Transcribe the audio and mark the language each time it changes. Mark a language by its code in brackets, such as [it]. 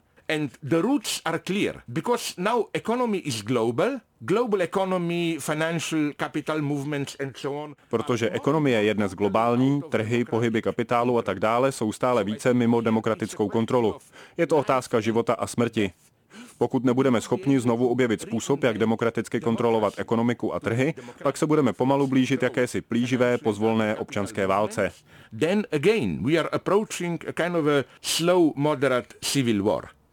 [en] And the roots are clear, because now economy is global, global economy, financial capital movements and so on. [cs] Protože ekonomie je dnes globální, trhy, pohyby kapitálu a tak dále jsou stále více mimo demokratickou kontrolu. Je to otázka života a smrti. Pokud nebudeme schopni znovu objevit způsob, jak demokraticky kontrolovat ekonomiku a trhy, pak se budeme pomalu blížit jakési plíživé, pozvolné občanské válce. [en] Then again, we are approaching a kind of a slow, moderate civil war.